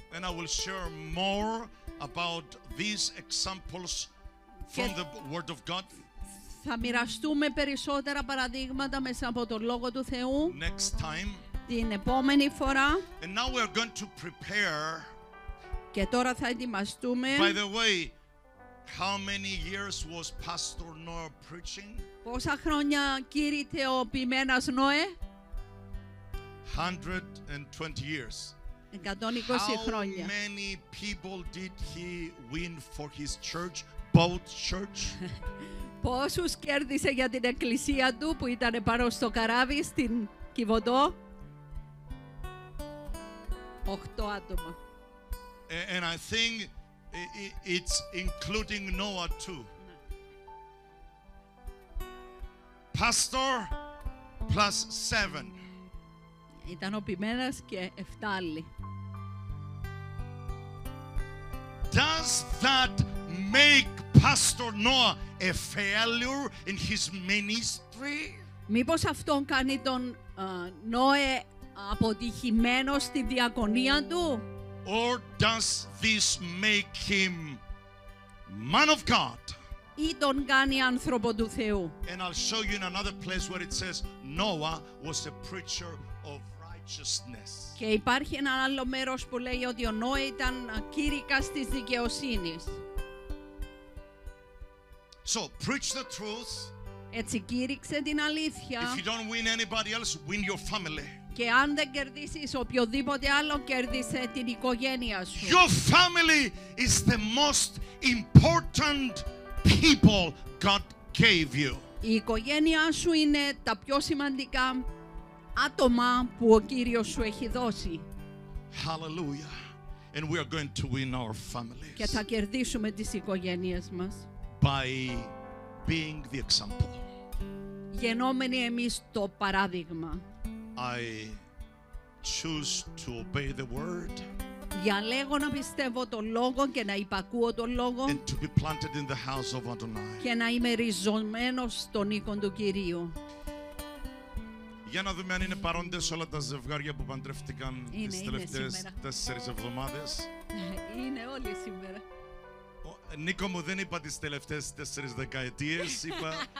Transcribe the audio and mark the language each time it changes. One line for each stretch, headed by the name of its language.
English: And I will share more about these examples from the word of God.
Greek: Θα μοιραστούμε περισσότερα παραδείγματα μέσα από τον λόγο του Θεού.
English: Next time.
Greek: Την επόμενη φορά.
English: And now we are going to prepare.
Greek: Και τώρα θα ετοιμαστούμε.
English: By the way, how many years was Pastor Noah preaching?
Greek: Πόσα χρόνια κήρυτε ο Ποιμένας Νόε?
English: 120 years.
Greek: 120 χρόνια.
English: How many people did he win for his church, both church?
Greek: Πόσους κέρδισε για την εκκλησία του που ήταν πάνω στο καράβι στην Κιβωτό? 8 άτομα.
English: And I think it's including Noah too. Pastor plus 7.
Greek: Ήταν ο Ποιμένας και 7 άλλοι.
English: Does that make Pastor Noah a failure in his ministry?
Greek: Μήπως αυτό κάνει τον Νόε αποτυχημένο στη διακονία του?
English: Or does this make him man of God?
Greek: Ή τον κάνει άνθρωπο του Θεού?
English: And I'll show you in another place where it says Noah was a preacher of righteousness.
Greek: Και υπάρχει ένα άλλο μέρος που λέει ότι ο Νόε ήταν κήρυκας της δικαιοσύνης.
English: So preach the truth.
Greek: Έτσι κήρυξε την αλήθεια.
English: If you don't win anybody else, win your family.
Greek: Και αν δεν κερδίσεις οποιοδήποτε άλλο, κέρδισε την οικογένεια σου.
English: Your family is the most important people God gave you.
Greek: Η οικογένειά σου είναι τα πιο σημαντικά άτομα που ο Κύριος σου έχει δώσει.
English: Hallelujah. And we are going to win our families.
Greek: Και θα κερδίσουμε τις οικογένειες μας.
English: By being the example.
Greek: Γενόμενοι εμείς το παράδειγμα.
English: I choose to obey the word.
Greek: Διαλέγω να πιστεύω τον λόγο και να υπακούω τον λόγο.
English: And to be planted in the house of Adonai.
Greek: Και να είμαι ριζωμένος στον οίκον του Κυρίου. Για να δούμε αν είναι παρόντες όλα τα ζευγάρια που παντρεύτηκαν τις τελευταίες 4 εβδομάδες. Είναι όλοι σήμερα. Νίκο μου, δεν είπα τις τελευταίες 4 δεκαετίες, είπα.